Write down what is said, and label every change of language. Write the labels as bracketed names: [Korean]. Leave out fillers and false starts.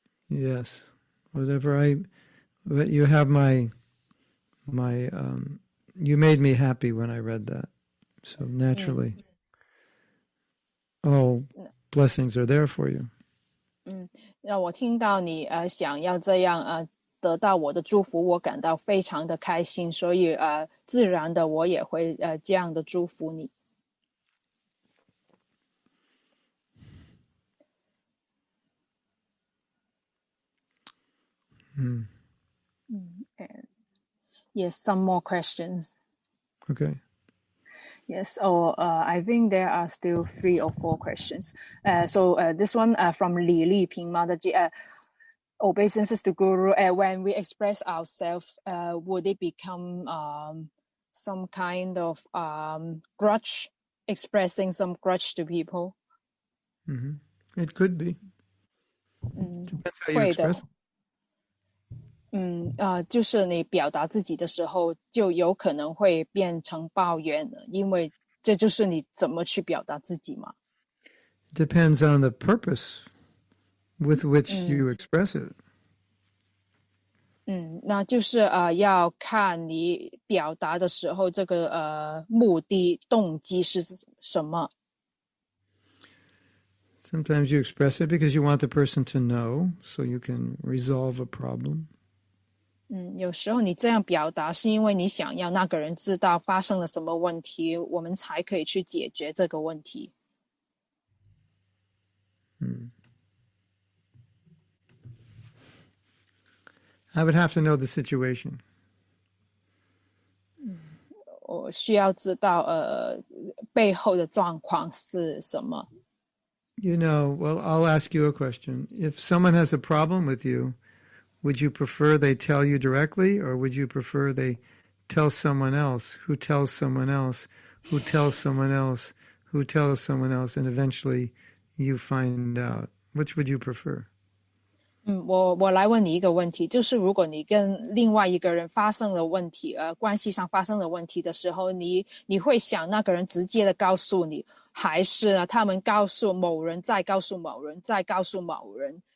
[English] Yes, whatever I, but you have my, you made me happy when I read that. So naturally, all blessings are there for you. [Chinese] 让我听到你想要这样得到我的祝福，我感到非常的开心，所以自然的我也会这样的祝福你。 [English] Yes, some more questions. Okay. Yes, or I think there are still three or four questions. This one from Li Li Ping Mataji. Obeisances to Guru, when we express ourselves, would it become some kind of grudge, expressing some grudge to people? Mm-hmm. It could be. Depends how you express it. [Chinese] 就是你表达自己的时候就有可能会变成抱怨了因为这就是你怎么去表达自己嘛 [English] Depends on the purpose with which you express it. [Chinese] 那就是要看你表达的时候这个目的动机是什么 [English] Sometimes you express it because you want the person to know so you can resolve a problem. [Chinese] 有时候你这样表达是因为你想要那个人知道发生了什么问题，我们才可以去解决这个问题。 [English] I would have to know the situation. [Chinese] 我需要知道背后的状况是什么。 [English] You know, well, I'll ask you a question. If someone has a problem with you,Would you prefer they tell you directly, or would you prefer they tell someone else who tells someone else who tells someone else who tells someone else, and eventually you find out? Which would you prefer? [Chinese] 我来问你一个问题，就是如果你跟另外一个人发生了问题，关系上发生了问题的时候，你会想那个人直接的告诉你，还是呢，他们告诉某人，再告诉某人，再告诉某人？